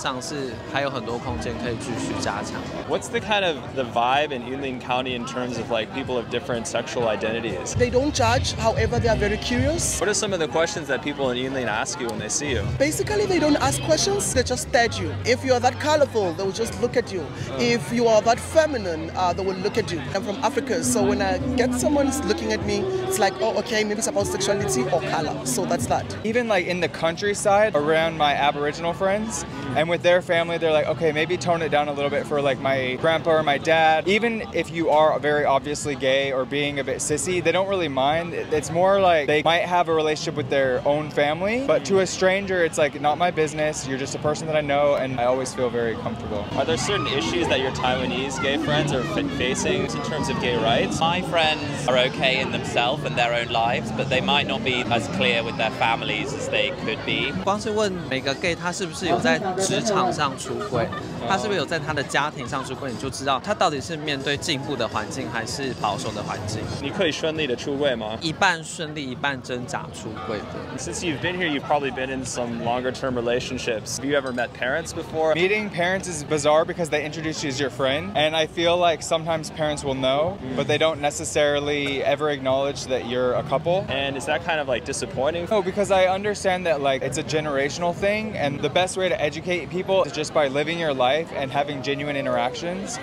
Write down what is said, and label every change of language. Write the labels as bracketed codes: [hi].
[zh] 感觉大家都还是比较地下化，在做任何的事情。我觉得文化上是还有很多空间可以继续加强。 [en] What's the kind of the vibe in Yunlin County in terms of like people of different sexual identities? They don't judge. However, they are very curious. What are some of the questions that people in Yunlin ask you when they see you? Basically, they don't ask questions. They just stare at you. If you are that colorful, they will just look at you. If you are that feminine, they will look at you. I'm from Africa, so when I get someone looking at me, it's like, oh, okay, maybe it's about sexuality or color. So that's that. Even like in the countryside around my Aboriginal friends and with their family, they're like, okay, maybe tone it down a little bit for like my grandpa or my dad. Even if you are very obviously gay or being a bit sissy, they don't really mind. It's more like they might have a relationship with their own family, but to a stranger, it's like, not my business. You're just a person that I know, and I always feel very comfortable. Are there certain issues that your Taiwanese gay friends are facing in terms of gay rights? My friends are okay in themselves and their own lives, but they might not be as clear with their families as they could be. [zh] 光是问每个 gay 他是不是有在职场上出轨，他是不是有在他的家庭上出柜，你就知道他到底是面对进步的环境还是保守的环境。你可以顺利的出柜吗？一半顺利一半挣扎出柜的。 [en] Since you've been here, you've probably been in some longer term relationships. Have you ever met parents before? Meeting parents is bizarre because they introduce you as your friend. And I feel like sometimes parents will know, but they don't necessarily ever acknowledge that you're a couple. And is that kind of like disappointing? No, because I understand that like it's a generational thing. And the best way to educate people is just by living your life and having genuine interactions.